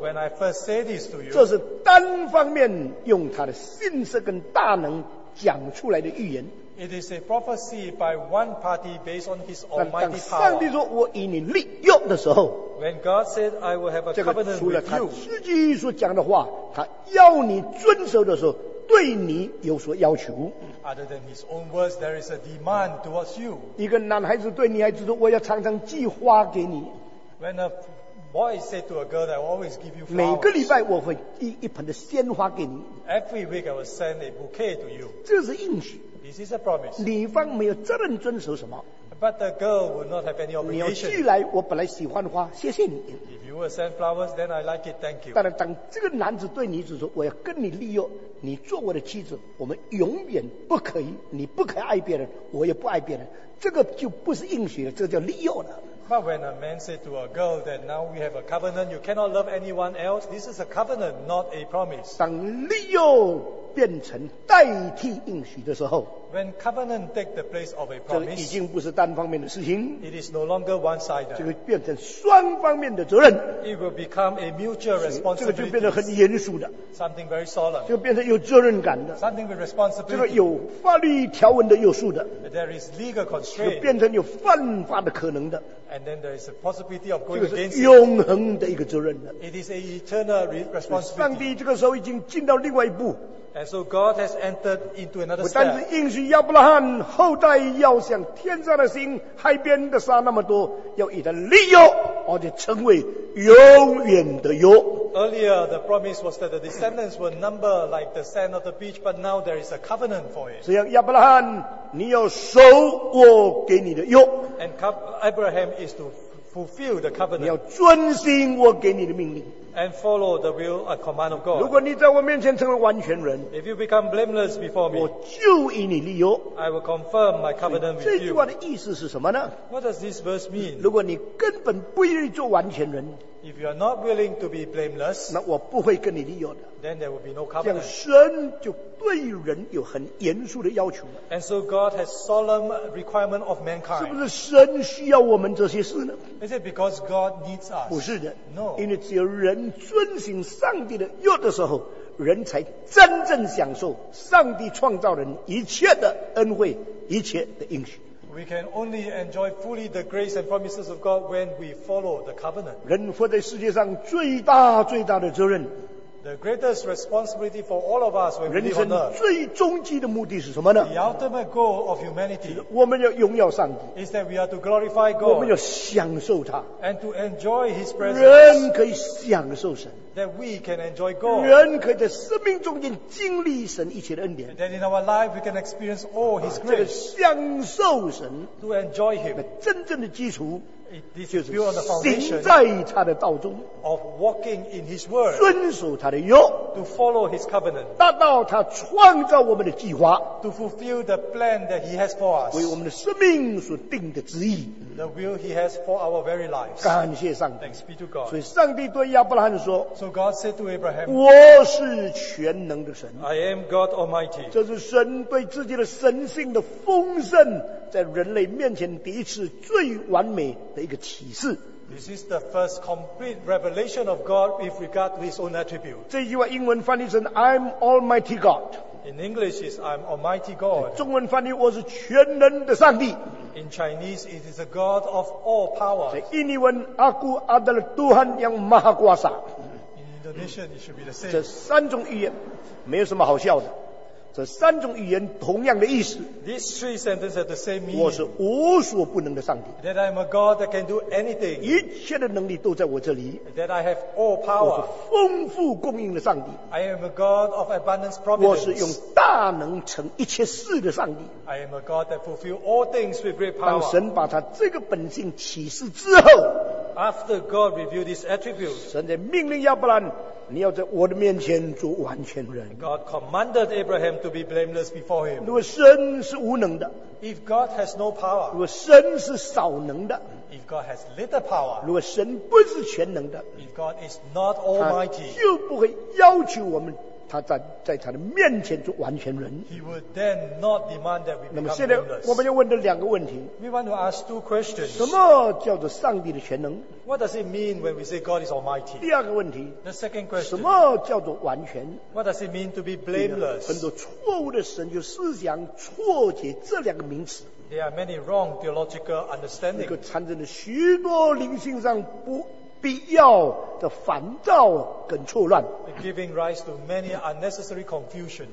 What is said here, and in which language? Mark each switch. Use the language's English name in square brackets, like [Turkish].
[English] When I first say this to you, [Chinese] 这是单方面用他的信实跟大能讲出来的预言。 [English] It is a prophecy by one party based on his almighty power. [Chinese] 当上帝说我与你立约的时候, [English] when God said, I will have a covenant with you, [Chinese] 这个除了他自己所讲的话, 他要你遵守的时候, 对你有所要求。 [English] Other than his own words, there is a demand towards you. [Chinese] 一个男孩子对女孩子说, 我要常常寄花给你。 [English] When a boy said to a girl, I always give you flowers. [Chinese] 每个礼拜我会寄一盆的鲜花给你。 [English] Every week I will send a bouquet to you. [Chinese] 这是应许。 [English] This is a promise. [Chinese] 女方没有责任遵守什么。 [English] But the girl will not have any obligation. [Chinese] 你要寄来,我本来喜欢花, 谢谢你。 [English] If you will send flowers, then I like it, thank you. [Chinese] 但是当这个男子对女子说, 我要跟你立约, 你做我的妻子, 我们永远不可以, 你不可爱别人, 我也不爱别人, 这个就不是应许了, 这个叫立约了。 [English] But when a man said to a girl that now we have a covenant, you cannot love anyone else, this is a covenant, not a promise. [Chinese] 当立约变成代替应许的时候, [English] when covenant takes the place of a promise, [Chinese] 这已经不是单方面的事情, [English] it is no longer one-sided. [Chinese] 这个变成双方面的责任, [English] it will become a mutual responsibility. [Chinese] 这个就变得很严肃的, [English] something very solemn. [Chinese] 这个变成有责任感的, [English] something with responsibility. [Chinese] 这个有法律条文的约束的, [English] there is legal constraint. [Chinese] 这个变成有犯法的可能的, [English] and then there is a possibility of going against it. [Chinese] 这个是永恒的一个责任的, [English] it is an eternal responsibility. [Chinese] 上帝这个时候已经进到另外一步, [English] and so God has entered into another step. [Chinese] 我单是应许亚伯拉罕后代要像天上的星海边的沙那么多, 要以他立约, 而且成为永远的约。 [English] Earlier the promise was that the descendants will number like the sand of the beach, but now there is a covenant for it. [Chinese] 所以亚伯拉罕你要守我给你的约, [English] and Abraham is to fulfill the covenant. [Chinese] 你要遵行我给你的命令, [English] and follow the will and command of God. [Chinese] 如果你在我面前成为完全人, [English] if you become blameless before me, [Chinese] 我就与你立约, [English] I will confirm my covenant with you. [Chinese] 这句话的意思是什么呢? [English] What does this verse mean? [Chinese] 如果你根本不愿意做完全人, [English] if you are not willing to be blameless, [Chinese] 那我不会跟你立约的, [English] then there will be no covenant. [Chinese] 这样神就对人有很严肃的要求, [English] and so God has solemn requirement of mankind. [Chinese] 是不是神需要我们这些事呢? [English] Is it because God needs us? [Chinese] 不是的, [English] no. [Chinese] 因为只有人遵行上帝的约的时候, 人才真正享受上帝创造人一切的恩惠,一切的应许。 [English] We can only enjoy fully the grace and promises of God when we follow the covenant. [Chinese] 人活在世界上最大最大的责任, [English] the greatest responsibility for all of us when we live on earth. [Chinese] 人生最终极的目的是什么呢? [English] The ultimate goal of humanity. [Chinese] 我们要荣耀上帝, [English] is that we are to glorify God. [Chinese] 我们要享受他, [English] and to enjoy His presence. [Chinese] 人可以享受神, [English] that we can enjoy God. [Chinese] 人可以在生命中间经历神一切的恩典, [English] that in our life we can experience all His grace. [Chinese] 享受神, [English] to enjoy Him. [Chinese] 真正的基础, [English] this is built on the foundation, [Chinese] 行在他的道中, [English] of walking in His word, [Chinese] 遵守他的约, [English] to follow His covenant, [Chinese] 达到他创造我们的计划, [English] to fulfill the plan that He has for us, [Chinese] 为我们的生命所定的旨意, [English] the will He has for our very lives. [Chinese] 感谢上帝, [English] thanks be to God. [Chinese] 所以上帝对亚伯拉罕说, [English] so God said to Abraham, [Chinese] 我是全能的神, [English] I am God Almighty. [Chinese] 这是神对自己的神性的丰盛, 在人类面前第一次最完美的一个启示。 [English] This is the first complete revelation of God with regard to His own attribute. [Chinese] 这句话英文翻译成 [English] I'm Almighty God. In English is I'm Almighty God. [Chinese] 中文翻译我是全能的上帝。 [English] In Chinese it is a God of all power. [Chinese] 这英文 [Indonesian] Aku adalah Tuhan yang Maha Kuasa. [English] In Indonesian it should be the same. [Chinese] 这三种语言没有什么好笑的。这三种语言同样的意思, [English] these three sentences have the same meaning. [Chinese] 我是无所不能的上帝, [English] that I am a God that can do anything. [Chinese] 一切的能力都在我这里, [English] that I have all power. [Chinese] 我是丰富供应的上帝, [English] I am a God of abundance providence. [Chinese] 我是用大能成一切事的上帝, [English] I am a God that fulfills all things with great power. [Chinese] 当神把他这个本性启示之后, [English] after God revealed this attribute, [Chinese] 神在命令亚伯兰, 你要在我的面前做完全人。 [English] God commanded Abraham to be blameless before him. [Chinese] 如果神是无能的, [English] if God has no power, [Chinese] 如果神是少能的, [English] if God has little power, [Chinese] 如果神不是全能的, [English] if God is not almighty, [Chinese] 就不会要求我们他在他的面前就完全人。 [English] He would then not demand that we become blameless. [Chinese] 那么现在我们要问的两个问题。 [English] We want to ask two questions. [Chinese] 什么叫做上帝的全能？ [English] What does it mean when we say God is almighty? [Chinese] 第二个问题。 [English] The second question. [Chinese] 什么叫做完全？ [English] What does it mean to be blameless? [Chinese] 很多错误的神就思想错解这两个名词。 [English] There are many wrong theological understandings. [Chinese] 那个产生了许多灵性上不 必要的烦躁跟错乱, [English] giving rise to many unnecessary confusions.